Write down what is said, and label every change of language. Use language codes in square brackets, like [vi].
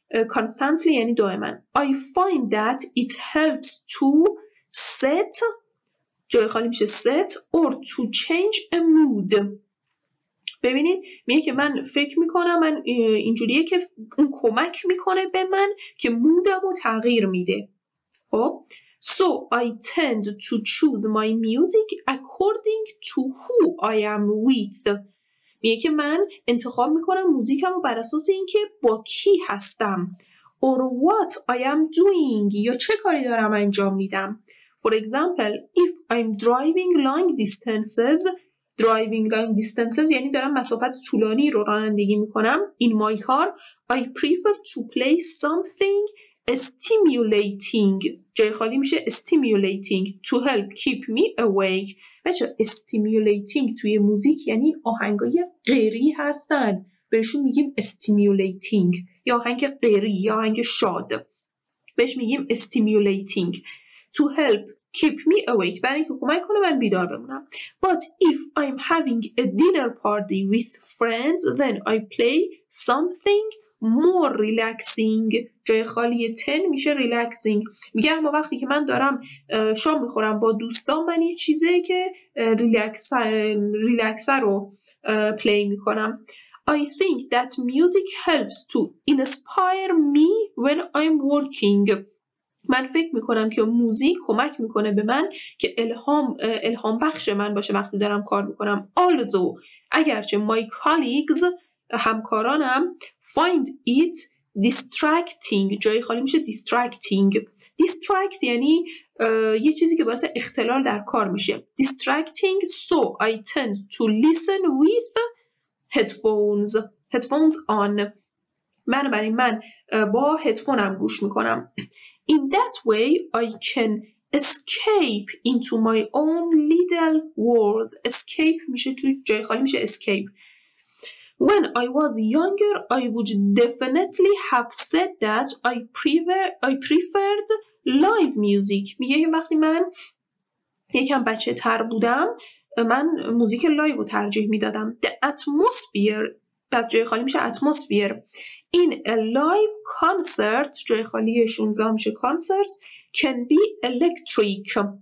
[en] constantly یعنی دائما. I find that it helps to set، [fa] جای خالی میشه [en] set، or to change a mood. [fa] ببینید میگه که من فکر میکنم، من اینجوریه که اون کمک میکنه به من که مودمو تغییر میده. [en] خب So I tend to choose my music according to who I am with. [fa] میگه که من انتخاب میکنم موزیکمو بر اساس اینکه با کی هستم. [en] Or what I am doing، [fa] یا چه کاری دارم انجام میدم. [en] For example if I'm driving long distances، driving long distances [fa] یعنی دارم مسافت طولانی رو رانندگی میکنم، [en] in my car I prefer to play something stimulating، [fa] جای خالی میشه [en] stimulating، to help keep me awake. [fa] بچه stimulating توی موزیک یعنی آهنگای غیری هستن، بهشون میگیم stimulating، یا آهنگ غیری یا آهنگ شاد بهش میگیم stimulating. [en] to help keep me awake، [fa] برای اینکه کمک کنه من بیدار بمونم. [en] But if I'm having a dinner party with friends then I play something more relaxing. [fa] جای خالی 10 میشه relaxing. میگه اما وقتی که من دارم شام میخورم با دوستان، من یه چیزی که ریلکسر رو پلی میکنم. [en] I think that music helps to inspire me when I'm working. [fa] من فکر میکنم که موزیک کمک میکنه به من که الهام بخش من باشه وقتی دارم کار میکنم. [en] Although اگرچه my colleagues همکارانم find it distracting، [fa] جای خالی میشه [en] distracting. [fa] distract یعنی یه چیزی که باعث اختلال در کار میشه. [en] distracting so I tend to listen with headphones on. [fa] من برای من با هدفونم گوش میکنم. [en] In that way, I can escape into my own little world. [fa] Escape میشه توی جای خالی میشه escape. [en] When I was younger, I would definitely have said that I preferred live music. [fa] میگه که وقتی من یکم بچه تر بودم، من موزیک لایو رو ترجیح میدادم. [en] The atmosphere، [fa] پس جای خالی میشه atmosphere. [en] In a live concert، [fa] جای خالی 16 میشه [en] concert، can be electric.